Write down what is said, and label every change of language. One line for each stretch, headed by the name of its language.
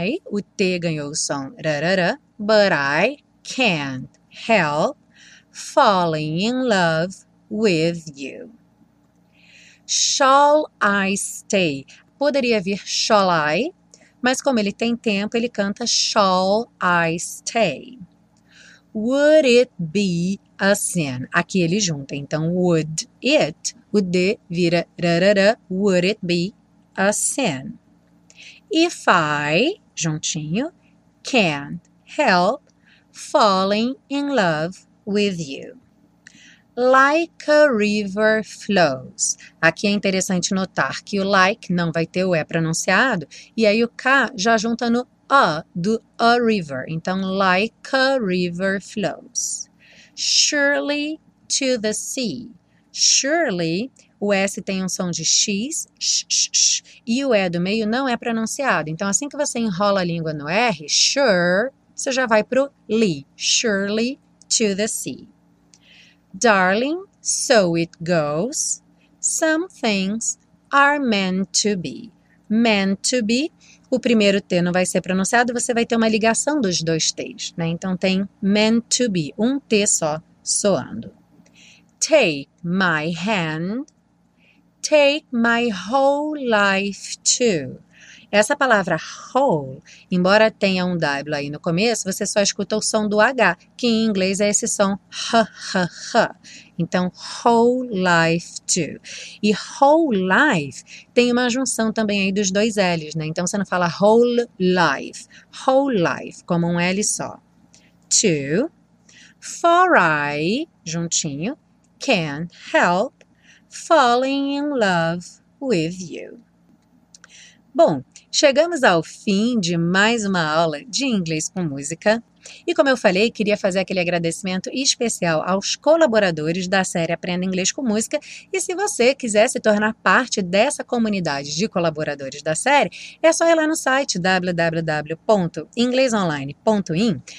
Portuguese: O T ganhou o som,
English: rarara, but I can't help falling in love with you. Shall I stay?
Portuguese: Poderia vir shall I, mas como ele tem tempo, ele canta
English: shall I stay. Would it be a sin?
Portuguese: Aqui ele junta, então
English: would it,
Portuguese: o D vira rarara,
English: would it be a sin? If I, juntinho, can't help falling in love with you. Like a river flows.
Portuguese: Aqui é interessante notar que o like não vai ter o E pronunciado, e aí o K já junta no A do a river.
English: Então, like a river flows. Surely to the sea.
Portuguese: Surely, o S tem um som de X, sh, sh, sh, e o E do meio não é pronunciado. Então, assim que você enrola a língua no R, sure, você já vai para o Lee,
English: surely to the sea. Darling, so it goes. Some things are meant to be.
Portuguese: Meant to be, o primeiro T não vai ser pronunciado, você vai ter uma ligação dos dois T's, né? Então tem meant to be, um T só soando.
English: Take my hand, take my whole life too.
Portuguese: Essa palavra whole, embora tenha um W aí no começo, você só escuta o som do H, que em inglês é esse som h. Então, whole life too. E whole life tem uma junção também aí dos dois L's, né? Então, você não fala whole life, como um L só.
English: To, for I, juntinho, can't help falling in love with you.
Portuguese: Bom, chegamos ao fim de mais uma aula de inglês com música. E como eu falei, queria fazer aquele agradecimento especial aos colaboradores da série Aprenda Inglês com Música. E se você quiser se tornar parte dessa comunidade de colaboradores da série, é só ir lá no site www.inglesonline.in.